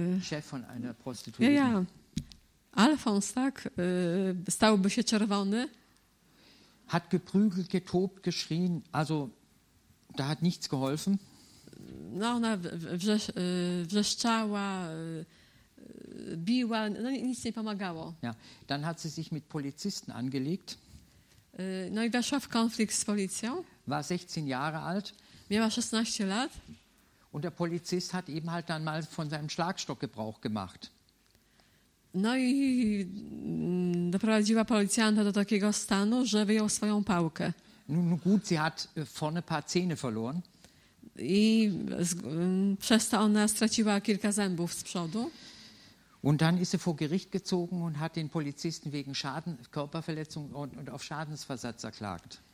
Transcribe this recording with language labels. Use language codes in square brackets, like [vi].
[de] Chef von einer Prostituierten. [pl] Ja. Alfons, tak? Stałby się czerwony. [de] Hat geprügelt, getobt, geschrien. Also, da hat nichts geholfen. [pl] No, ona wrzeszczała, biła, no nic nie pomagało. [de] Ja, dann hat sie sich mit Polizisten angelegt. [pl] No i weszła w konflikt z policją. [de] War 16 Jahre alt. [pl] Miała 16 lat. [de] Und der Polizist hat eben halt dann mal von seinem Schlagstock Gebrauch gemacht. [pl] No i doprowadziła policjanta do takiego stanu, że wyjął swoją pałkę. [de] Nun gut, sie hat vorne paar Zähne verloren. [pl] I przez to ona straciła kilka zębów z przodu. [de] Und dann ist sie vor Gericht gezogen und hat den Polizisten wegen Schaden, Körperverletzung und auf Schadensersatz erklagt.